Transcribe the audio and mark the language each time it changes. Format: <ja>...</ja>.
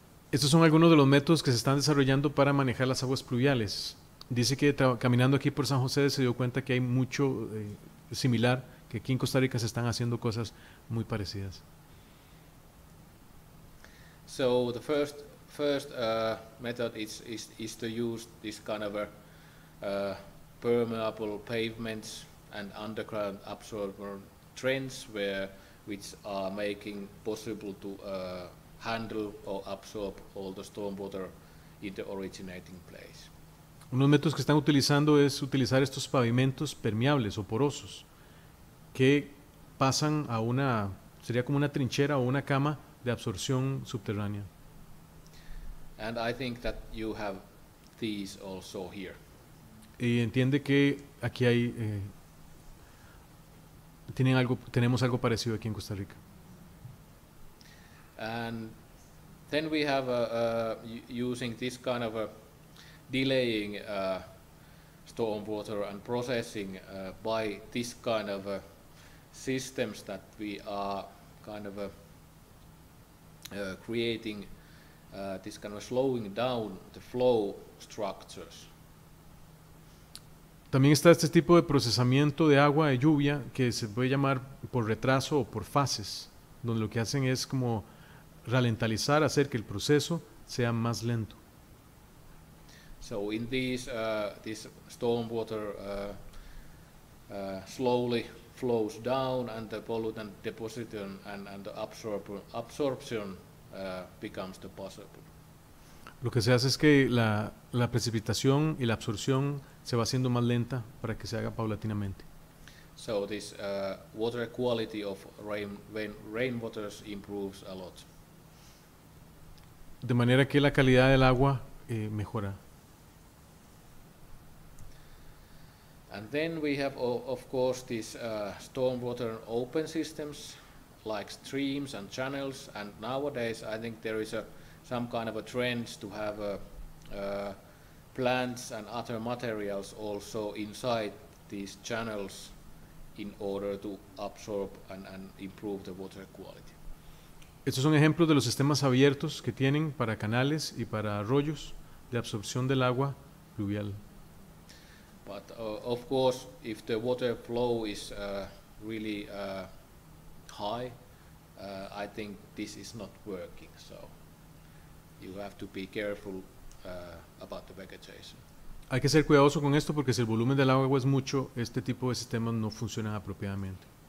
<es>Estos son algunos de los métodos que se están desarrollando para manejar las aguas pluviales. Dice que caminando aquí por San José se dio cuenta que hay mucho similar, que aquí en Costa Rica se están haciendo cosas muy parecidas.</es> <en>So the first method is to use this kind of a permeable pavements and underground absorber trench which are making possible to handle or absorb all the stormwater in the originating place.</en> <es>Uno de los métodos que están utilizando es utilizar estos pavimentos permeables o porosos que pasan a una, sería como una trinchera o una cama de absorción subterránea.</es> <en>And I think that you have these also here.</en> <es>Y entiende que aquí hay, tenemos algo parecido aquí en Costa Rica.</es> <en>And then we have using this kind of a delaying stormwater and processing by this kind of systems that we are kind of creating this kind of slowing down the flow structures.</en> <es>También está este tipo de procesamiento de agua de lluvia que se puede llamar por retraso o por fases, donde lo que hacen es como ralentizar, hacer que el proceso sea más lento.</es> <en>So in this this stormwater slowly flows down, and the pollutant deposition and the absorption becomes the possible.</en> <es>Lo que se hace es que la precipitación y la absorción se va haciendo más lenta para que se haga paulatinamente.</es> <en>So this water quality of rain when rainwaters improves a lot.</en> <es>De manera que la calidad del agua mejora.</es> <en>And then we have of course this stormwater open systems like streams and channels, and nowadays I think there is some kind of a trend to have plants and other materials also inside these channels in order to absorb and improve the water quality.</en> <es>Estos son ejemplos de los sistemas abiertos que tienen para canales y para arroyos de absorción del agua pluvial.</es> <en>But of course, if the water flow is really high, I think this is not working. So you have to be careful about the vegetation.</en> <es>Hay que ser cuidadoso con esto porque si el volumen del agua es mucho, este tipo de sistemas no funcionan apropiadamente.</es>